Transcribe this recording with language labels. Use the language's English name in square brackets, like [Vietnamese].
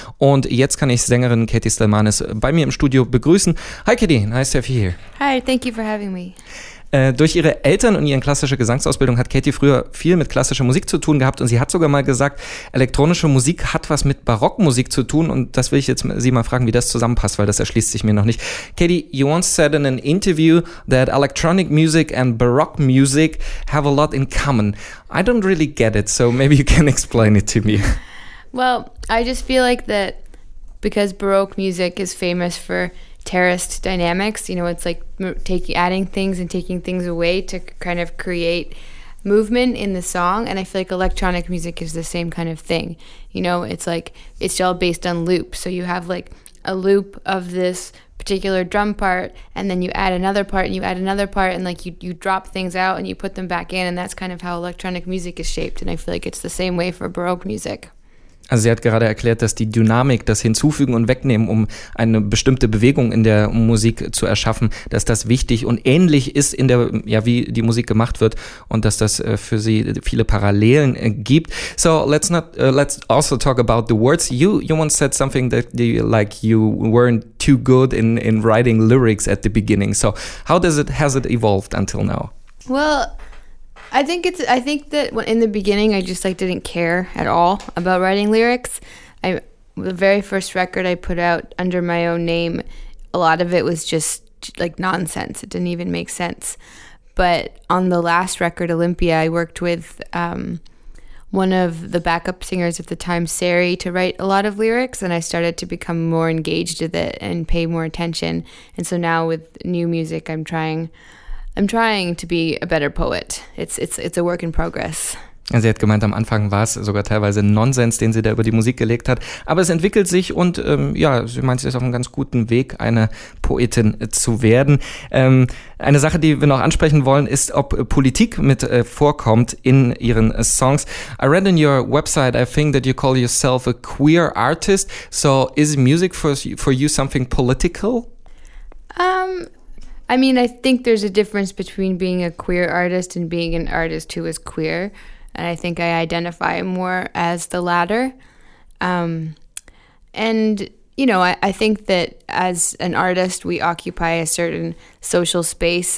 [German] Und jetzt kann ich Sängerin Katie Stelmanis bei mir im Studio begrüßen. [English] Hi Katie, nice to have you here. Hi, thank you for having me. [German] Durch ihre Eltern und ihre klassische Gesangsausbildung hat Katie früher viel mit klassischer Musik zu tun gehabt und sie hat sogar mal gesagt, elektronische Musik hat was mit Barockmusik zu tun und das will ich jetzt Sie mal fragen, wie das zusammenpasst, weil das erschließt sich mir noch nicht. [English] Katie, you once said in an interview that electronic music and baroque music have a lot in common. I don't really get it, so maybe you can explain it to me. Well, I just feel like that because baroque music is famous for terraced dynamics, you know, it's like adding things and taking things away to kind of create movement in the song. And I feel like electronic music is the same kind of thing. You know, it's like, it's all based on loop. So you have like a loop of this particular drum part, and then you add another part and you add another part, and like you drop things out and you put them back in. And that's kind of how electronic music is shaped. And I feel like it's the same way for Baroque music. [German] Also sie hat gerade erklärt, dass die Dynamik, das Hinzufügen und Wegnehmen, um eine bestimmte Bewegung in der Musik zu erschaffen, dass das wichtig und ähnlich ist in der, ja, wie die Musik gemacht wird und dass das für sie viele Parallelen gibt. [English] So let's also talk about the words. You once said something that you weren't too good in writing lyrics at the beginning. So how has it evolved until now? Well, I think that in the beginning, I just like didn't care at all about writing lyrics. The very first record I put out under my own name, a lot of it was just like nonsense. It didn't even make sense. But on the last record, Olympia, I worked with one of the backup singers at the time, Sari, to write a lot of lyrics, and I started to become more engaged with it and pay more attention. And so now with new music, I'm trying to be a better poet. It's a work in progress. [German] Sie hat gemeint, am Anfang war es sogar teilweise Nonsens, den sie da über die Musik gelegt hat. Aber es entwickelt sich und sie meint, sie ist auf einem ganz guten Weg, eine Poetin zu werden. Eine Sache, die wir noch ansprechen wollen, ist, ob Politik mit vorkommt in ihren Songs. [English] I read on your website, I think that you call yourself a queer artist. So is music for you something political? I mean, I think there's a difference between being a queer artist and being an artist who is queer. And I think I identify more as the latter. I think that as an artist, we occupy a certain social space.